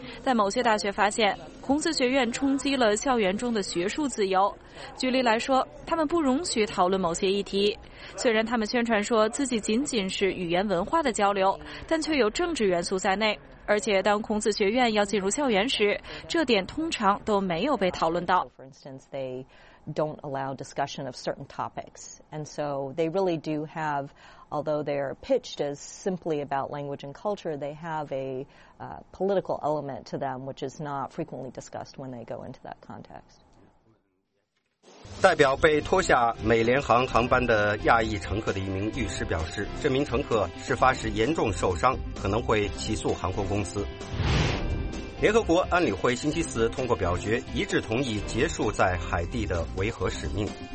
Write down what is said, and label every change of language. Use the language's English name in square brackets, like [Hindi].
[Chinese] 但某些大学发现，孔子学院冲击了校园中的学术自由。举例来说，他们不容许讨论某些议题，虽然他们宣传说自己仅仅是语言文化的交流，但却有政治元素在内。而且当孔子学院要进入校园时，这点通常都没有被讨论到。 [English] For instance, they don't allow discussion of certain topics. And so they really do have, although they are pitched as simply about language and culture, they have a political element to them, which is not frequently discussed when they go into that context. [Chinese] 代表被拖下美联航航班的亚裔乘客的一名律师表示，这名乘客事发时严重受伤，可能会起诉航空公司。联合国安理会星期四通过表决，一致同意结束在海地的维和使命。